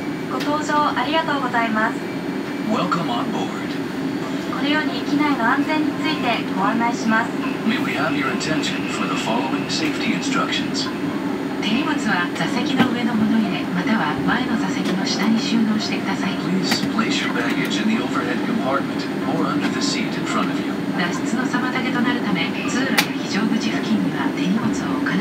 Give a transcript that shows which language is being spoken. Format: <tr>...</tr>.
<ja>ご搭乗ありがとうございます。</ja> <en>Welcome on board.</en> <ja>このように機内の安全についてご案内します。</ja> <en>May we have your attention for the following safety instructions.</en> <ja>手荷物は座席の上の物入れまたは前の座席の下に収納してください。</ja> <en>Please place your baggage in the overhead compartment or under the seat in front of you.</en> <ja>脱出の妨げとなるため通路や非常口付近には手荷物を置</ja>